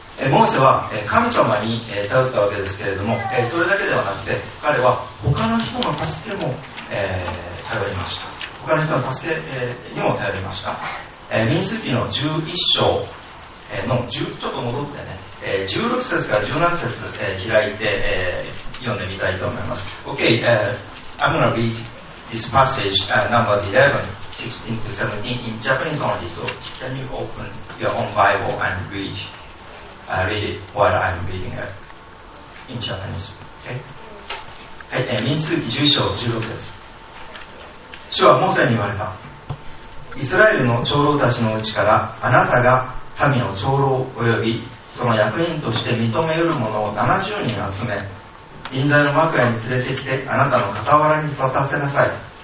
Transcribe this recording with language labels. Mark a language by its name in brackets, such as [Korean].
[Japanese] モーセは神様に頼ったわけですけれども、それだけではなくて、彼は他の人の助けも頼りました。他の人の助けにも頼りました。民数記の11章の10、ちょっと戻ってね、16節から17節、開いて、読んでみたいと思います。 [English] Okay, I'm going to read this passage, numbers 11, 16 to 17 in Japanese only. So can you open your own Bible and read it while I'm reading it in Japanese? [Japanese] Okay? はい、民数記11章16節。主はモーセに言われた。イスラエルの長老たちのうちからあなたが民の長老およびその役員として認め得る者を70人集め、臨在の幕屋に連れてきてあなたの傍らに立たせなさい。